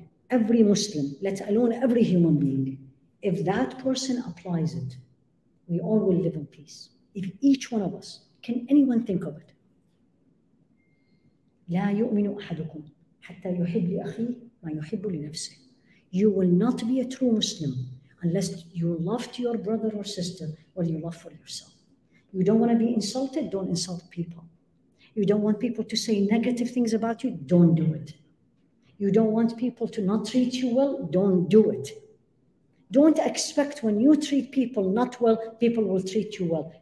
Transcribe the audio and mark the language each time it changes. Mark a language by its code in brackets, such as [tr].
[en] Every Muslim, let alone every human being, if that person applies it, we all will live in peace. If each one of us, can anyone think of it? [ar] لا يؤمن أحدكم حتى يحب لأخي ما يحب لنفسه. [en] You will not be a true Muslim unless you love to your brother or sister or you love for yourself. You don't want to be insulted, don't insult people. You don't want people to say negative things about you, don't do it. You don't want people to not treat you well, don't do it. Don't expect when you treat people not well, people will treat you well.